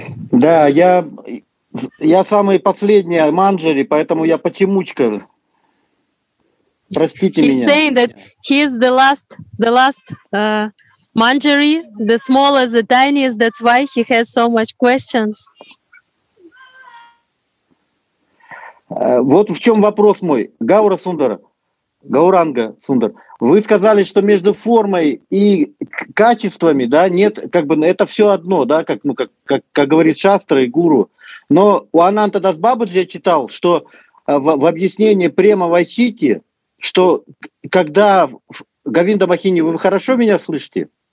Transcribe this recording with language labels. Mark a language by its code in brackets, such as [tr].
[ru] Да, я самый последний манджари, поэтому я почемучка. Простите [en] He's [ru] меня. [en] He's saying that he is the last manjari, the smallest, the tiniest, that's why he has so much questions. [ru] Вот в чем вопрос мой, Гаура Сундара, Гауранга Сундар. Вы сказали, что между формой и качествами, да, нет, как бы это все одно, да, как, ну, как говорит Шастра и Гуру. Но у Ананта Дас Бабаджи я читал, что в объяснении према Вайчити, что когда Говинда Махини, вы хорошо меня слышите?